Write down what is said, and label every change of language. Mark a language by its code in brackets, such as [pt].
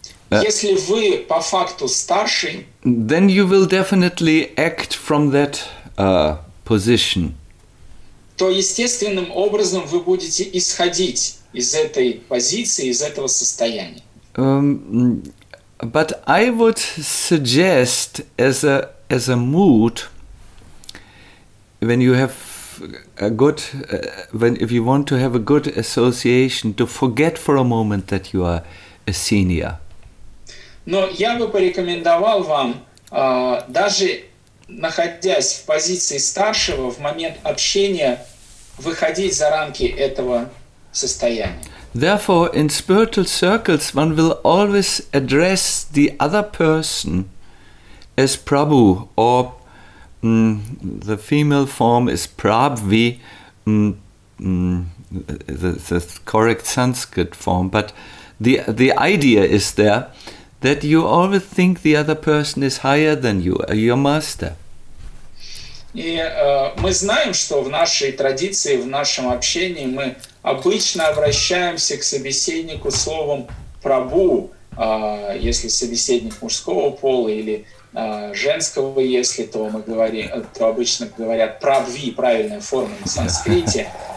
[ru] если вы по факту старший, [en] then you will definitely act from that position. [ru] То естественным образом вы будете исходить из этой позиции, из этого состояния. [en] But I would suggest as a mood, when you have a good, if you want to have a good association, to forget for a moment that you are a senior. [ru] Но я бы порекомендовал вам даже находясь в позиции старшего, в момент общения выходить за рамки этого состояния. [en] Therefore, in spiritual circles, one will always address the other person as Prabhu, or the female form is Prabhvi, the correct Sanskrit form. But the idea is there that you always think the other person is higher than you, your master. [ru] И мы знаем, что в нашей традиции, в нашем общении мы обычно обращаемся к собеседнику словом «прабу», если собеседник мужского пола или женского, если то мы говорим, то обычно говорят «прабви», правильная форма на санскрите.